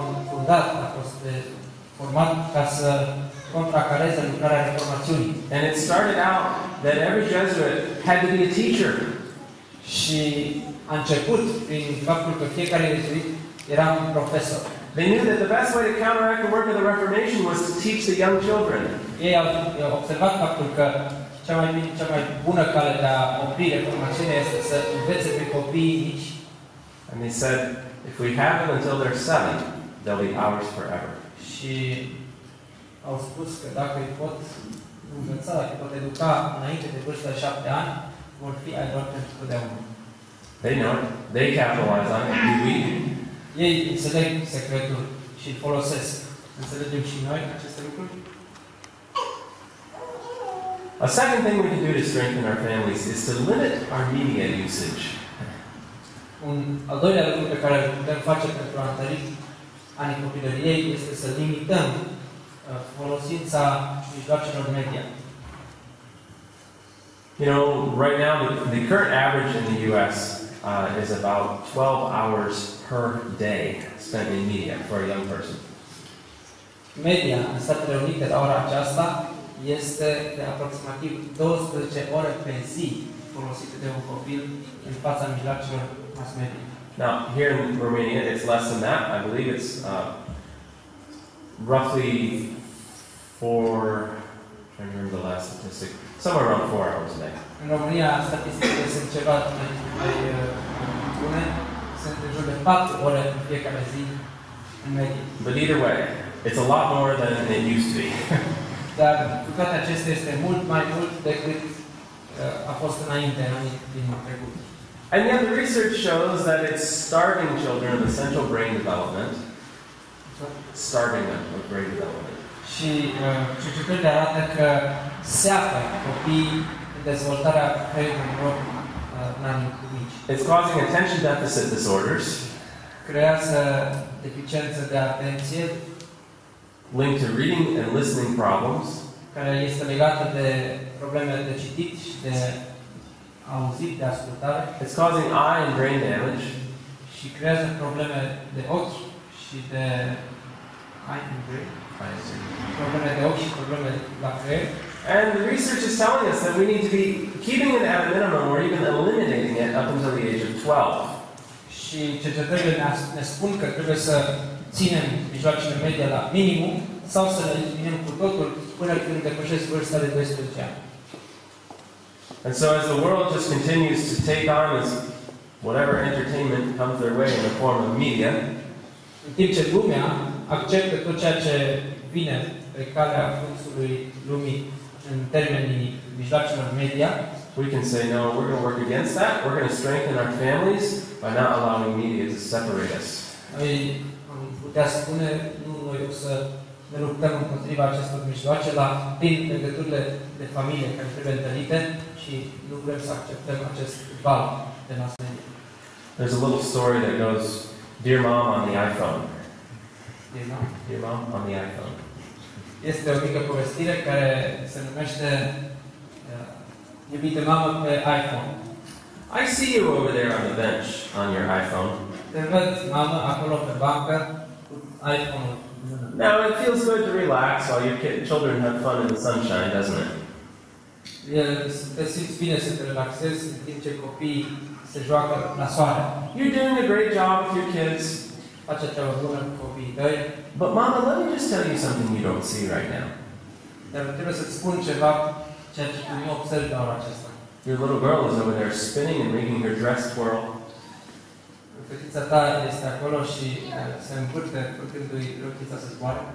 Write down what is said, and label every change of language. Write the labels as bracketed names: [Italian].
[Romanian] fondat, a fost format ca să contracareze lucrarea reformațiunii. [English] And it started out that every Jesuit had to be a teacher. [Romanian] Și a început prin faptul că fiecare jesuit era un profesor. [English] They knew that the best way to counteract the work of the Reformation was to teach the young children. [Romanian] Ei au observat faptul că cea mai bună cale de a opri reformațiunea este să învețe pe copii mici. [English] And they said, if we have them until they're 7, they'll be ours forever. [Romanian] Și au spus că dacă îi pot învăța, dacă îi pot educa înainte de vârsta de 7 ani, vor fi ai doar pentru totdeauna. [English] They know it. They capitalize on it. Do we? [Romanian] Ei înțeleg secretul și îl folosesc. Înțelegem și noi aceste lucruri? [English] A second thing we can do to strengthen our families is to limit our media usage. [Romanian] Un al doilea lucru pe care îl putem face pentru a întări anii copilăriei este să limităm folosința mijloacelor media. [English] You know, right now the current average in the U.S. Is about 12 hours per day spent in media for a young person. [Romanian] Media în Statele Unite la ora aceasta este de aproximativ 12 ore pe zi folosite de un copil în fața mijloacelor mass media. [English] Now, here in Romania, it's less than that. I believe it's roughly 4, I'm trying to remember the last statistic, somewhere around 4 hours a day. [Romanian] În România, statisticile sunt ceva mai bune, sunt în jur de 4 ore în fiecare zi în medie. [English] But either way, it's a lot more than it used to be. [Romanian] Dar cu toate acestea este mult mai mult decât a fost înainte, în anii din trecut. [English] And yet the research shows that it's starving children of essential brain development. Starving them of brain development. [Romanian] Și cercetările arată că seacă copii în dezvoltarea creierului în anii mici. [English] It's causing attention deficit disorders. [Romanian] Creează deficiență de atenție. [English] Linked to reading and listening problems. [Romanian] Care este legată de probleme de citit și de auzit, de ascultare. [English] It's causing eye and brain damage. [Romanian] Și creează probleme de ochi și de [English] eye and brain. [Romanian] Probleme de ochi și probleme la creier. [English] And the research is telling us that we need to be keeping it at a minimum or even eliminating it up until the age of 12. [Romanian] Și cercetările ne spun că trebuie să ținem mijloacele media la minimum sau să le eliminăm cu totul până când depășesc vârsta de 12 ani. [English] And so as the world just continues to take on as whatever entertainment comes their way in the form of media, [Romanian] în timp ce lumea acceptă tot ceea ce vine pe calea fluxului lumii în termenii mijloacelor media, [English] we can say, no, we're going to work against that. We're going to strengthen our families by not allowing media to separate us. [Romanian] Noi am putea spune, nu, noi o să ne luptăm împotriva acestor mijloace, dar prin legăturile de familie care trebuie întărite, și nu vrem să acceptăm acest val de mass media. [English] There's a little story that goes, dear mom on the iPhone. Dear mom. Dear mom on the iPhone. [Romanian] Este o mică povestire care se numește iubite mamă pe iPhone. [English] I see you over there on the bench on your iPhone. [Romanian] Te văd, mamă, acolo pe bancă cu iPhone. [English] Now it feels good to relax while your children have fun in the sunshine, doesn't it? [Romanian] Te simți bine să te relaxezi în timp ce copiii se joacă la soare. [English] You're doing a great job with your kids. [Romanian] Faci o treabă bună cu copiii tăi. [English] But mama, let me just tell you something you don't see right now. [Romanian] Dar trebuie să-ți spun ceva, ceea ce tu nu observi doar acesta. [English] Your little girl is over there spinning and making her dress twirl. [Romanian] Fetița ta este acolo și se învârte făcându-i rochița să zboare.